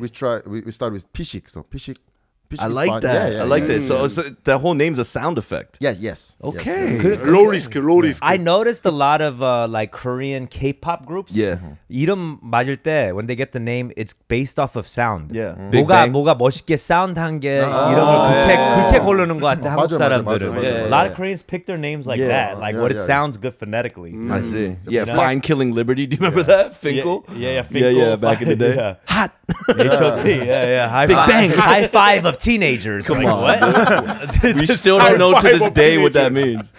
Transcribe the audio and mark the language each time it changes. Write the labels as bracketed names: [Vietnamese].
[English] We started with 피식. So 피식. I like that. Yeah. Mm. So the whole name's a sound effect. Yes. Okay. Glorious. I noticed a lot of like Korean K-pop groups. Yeah. [Korean] 이름 맞을 때 [English] when they get the name, it's based off of sound. Yeah. [Korean] 뭐가 멋있게 sound 한 게 이름을 그렇게 고르는 것 같아 한국 사람들은. [English] A lot of Koreans pick their names like that, like what it sounds good phonetically. I see. Yeah. Fine Killing Liberty. Do you remember that? Finkel. Yeah. Back in the day. Hot. H.O.T. Yeah. Big Bang. High five. Of teenagers. Come like, on. What? We still don't know to this day what that means.